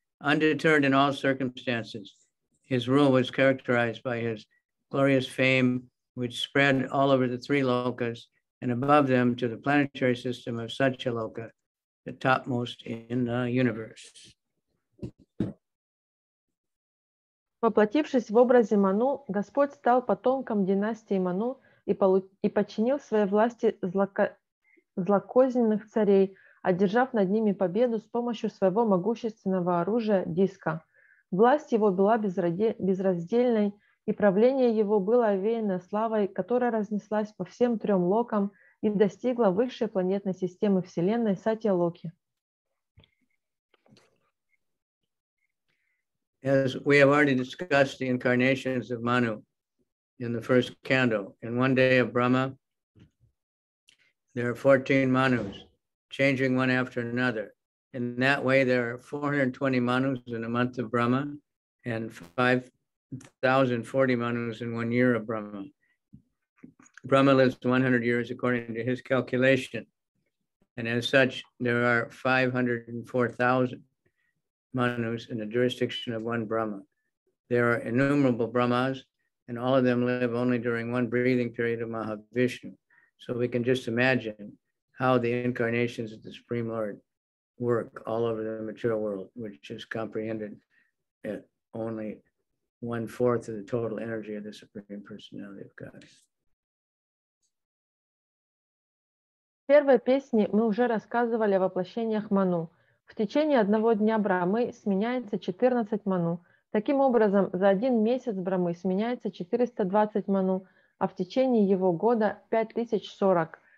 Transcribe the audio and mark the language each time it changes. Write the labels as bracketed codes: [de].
[en] Undeterred in all circumstances, his rule was characterized by his glorious fame, which spread all over the three lokas, and above them to the planetary system of Satchaloka, the topmost in the universe. [ru] Воплотившись в образе Ману, Господь стал потомком династии Ману и подчинил своей власти злокозненных царей, одержав над ними победу с помощью своего могущественного оружия диска. Власть его была безраздельной, и правление его было овеяно славой, которая разнеслась по всем трем локам и достигла высшей планетной системы Вселенной Сатья-Локи. [en] As we have already discussed the incarnations of Manu in the first canto, in one day of Brahma, there are 14 Manus, changing one after another. In that way, there are 420 Manus in a month of Brahma and 5,040 Manus in one year of Brahma. Brahma lives 100 years according to his calculation. And as such, there are 504,000 Manus in the jurisdiction of one Brahma. There are innumerable Brahmas, and all of them live only during one breathing period of Mahavishnu. So we can just imagine how the incarnations of the Supreme Lord work all over the material world, which is comprehended at only 1/4 of the total energy of the Supreme Personality of God. [ru] В первой песне мы уже рассказывали о воплощениях ману. В течение одного дня Брамы сменяется 14 ману. Таким образом, за один месяц Брамы сменяется 420 ману, а в течение его года 5040.